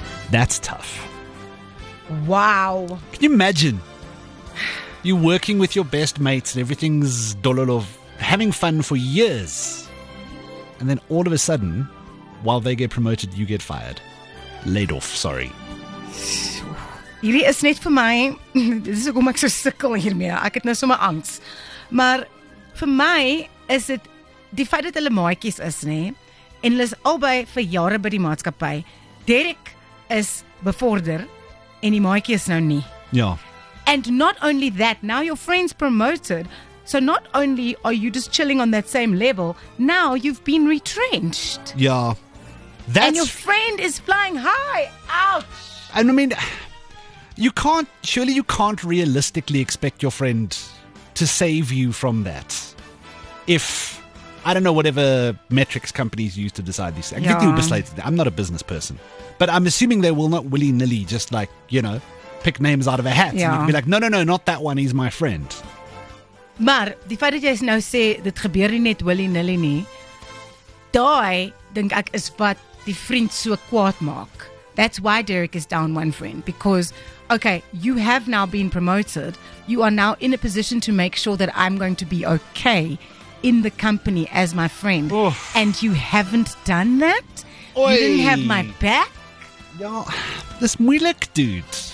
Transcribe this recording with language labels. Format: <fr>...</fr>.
<en>That's tough. Wow. Can you imagine? You're working with your best mates and everything's dololo, having fun for years. And then all of a sudden, while they get promoted, you get fired. Laid off, sorry.</en> <af>Hierdie is net vir my. Dit is hoekom ek so sukkel hiermee. Ek het nou sommer angs. Maar vir my is dit die feit dat hulle maatjies is, nê? En hulle is albei vir jare by die maatskappy. Derek is bevorder en die maatjie is nou nie. Ja.</af> <en>And not only that, now your friend's promoted. So not only are you just chilling on that same level, now you've been retrenched. Yeah. That's, and your friend is flying high. Ouch. And I mean, you can't, surely you can't realistically expect your friend to save you from that. If, I don't know, whatever metrics companies use to decide these things. I'm not a business person. But I'm assuming they will not willy-nilly just like, you know, pick names out of a hat. Yeah. And be like, no, not that one. He's my friend.</en> <af>Maar die feit dat jy nou sê dit gebeur nie net willy-nilly nie, daai dink ek is wat die vriend so kwaad maak.</af> <en>That's why Derek is down one friend, because okay, you have now been promoted. You are now in a position to make sure that I'm going to be okay in the company as my friend. Oof. And you haven't done that? Oi. You didn't have my back?</en> <af>Ja, dis moeilik, dude.</af>